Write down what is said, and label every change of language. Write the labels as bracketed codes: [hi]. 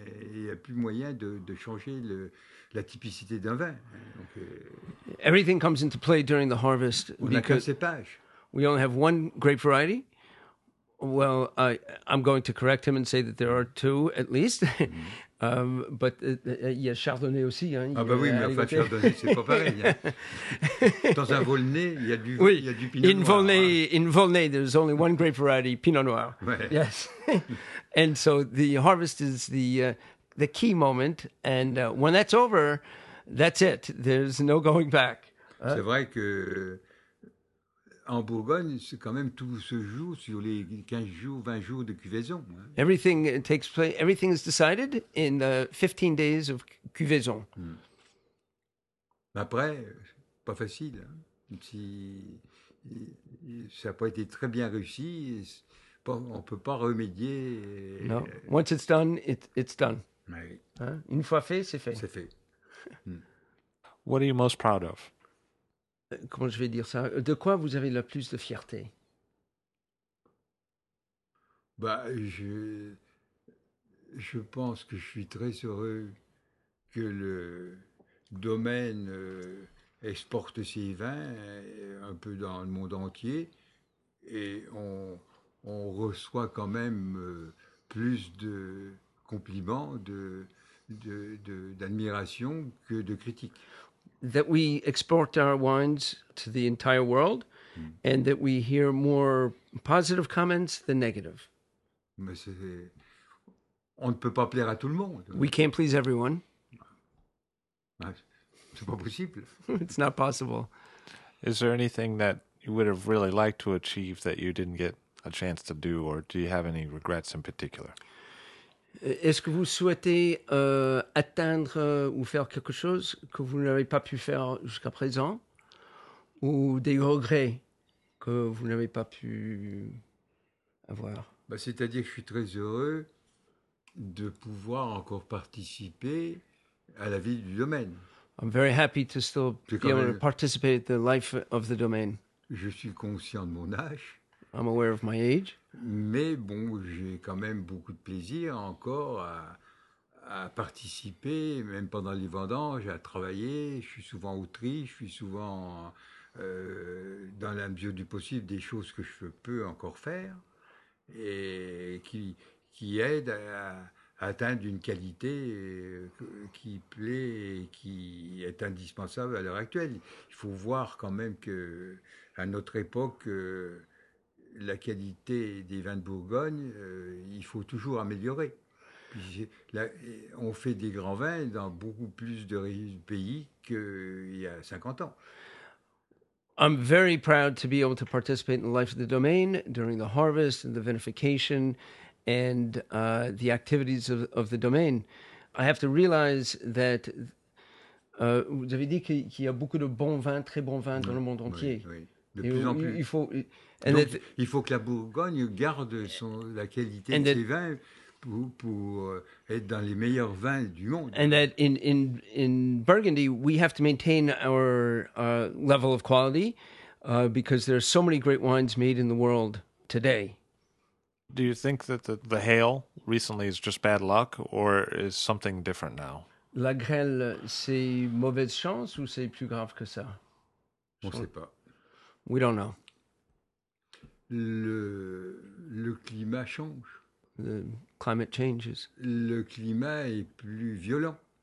[fr] Il n'y a plus moyen de changer la typicité d'un vin. Donc, [en] everything comes into play during the harvest. [fr] On n'a qu'un cépage. [en] We only have one grape variety. Well, I'm going to correct him and say that there are two, at least. [fr] But il y a Chardonnay aussi. Hein, ah bah oui, mais en fait, Chardonnay, c'est pas pareil. Dans un Volnay, il y a du Pinot Noir. [en] Volnay, hein. In Volnay, there's only one grape variety, Pinot Noir. [fr] Ouais. [en] Yes. And so the harvest is the key moment. And when that's over, that's it. There's no going back. [fr] C'est vrai que en Bourgogne, c'est quand même tout se joue sur les 15 jours, 20 jours de cuvaison. [en] Everything takes place, everything is decided in 15 days of cuvaison. [fr] Après, pas facile. Si, ça n'a pas été très bien réussi. On peut pas remédier. [en] No. Once it's done, it's done. [fr] Oui. Hein? Une fois fait, c'est fait. C'est fait. [en] What are you most proud of? [fr] Comment je vais dire ça? De quoi vous avez le plus de fierté? Bah, je pense que je suis très heureux que le domaine exporte ses vins un peu dans le monde entier et on reçoit quand même plus de compliments, d'admiration que de critiques. [en] That we export our wines to the entire world and that we hear more positive comments than negative. [fr] Mais on ne peut pas plaire à tout le monde. [en] We can't please everyone. [fr] C'est pas possible. [en] It's not possible. Is there anything that you would have really liked to achieve that you didn't get a chance to do, or do you have any regrets in particular? [fr] Est-ce que vous souhaitez atteindre ou faire quelque chose que vous n'avez pas pu faire jusqu'à présent, ou des regrets que vous n'avez pas pu avoir? Bah, c'est-à-dire que je suis très heureux de pouvoir encore participer à la vie du domaine. [en] I'm very happy to still be able to participate in the life of the domain. [fr] Je suis conscient de mon âge. [en] I'm aware of my age. [fr] Mais bon, j'ai quand même beaucoup de plaisir encore à participer, même pendant les vendanges, à travailler. Je suis souvent outriche, je suis souvent dans la mesure du possible des choses que je peux encore faire et qui aident atteint d'une qualité qui plaît et qui est indispensable à l'heure actuelle. Il faut voir quand même que, à notre époque, la qualité des vins de Bourgogne, il faut toujours améliorer. Puis, là, on fait des grands vins dans beaucoup plus de pays qu'il y a 50 ans. [en] I'm very proud to be able to participate in the life of the domain during the harvest and the vinification and the activities of the domain. I have to realize that [fr] vous avez dit qu'il y a beaucoup de bons vins, très bons vins dans le monde entier. Oui, oui. De plus en plus. Il faut que la Bourgogne garde la qualité de ses vins pour être dans les meilleurs vins du monde. [en] And that in Burgundy, we have to maintain our level of quality because there are so many great wines made in the world today. Do you think that the hail recently is just bad luck or is something different now? [fr] La grêle, c'est mauvaise chance ou c'est plus grave que ça? On ne sait pas. [en] We don't know. [fr] Le climat change. [en] The climate changes. [fr] Le climat est plus violent.